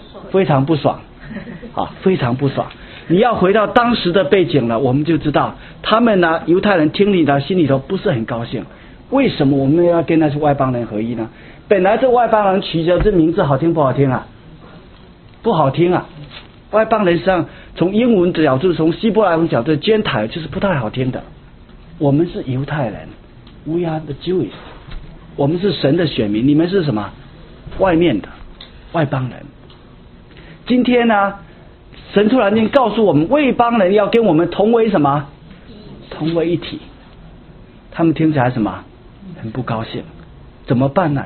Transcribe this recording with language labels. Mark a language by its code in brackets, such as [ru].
[zh] 非常不爽，啊，非常不爽。你要回到当时的背景了，我们就知道他们呢，犹太人听你的心里头不是很高兴。为什么我们要跟那些外邦人合一呢？本来这外邦人取的这名字好听不好听啊？不好听啊！外邦人实际上从英文角度，从希伯来文角度 ，Gentile 就是不太好听的。我们是犹太人 ， [en] We are the Jewish。 [zh] 我们是神的选民，你们是什么？外面的外邦人。今天呢，神突然间告诉我们，外邦人要跟我们同为什么？同为一体。他们听起来什么？很不高兴。怎么办呢？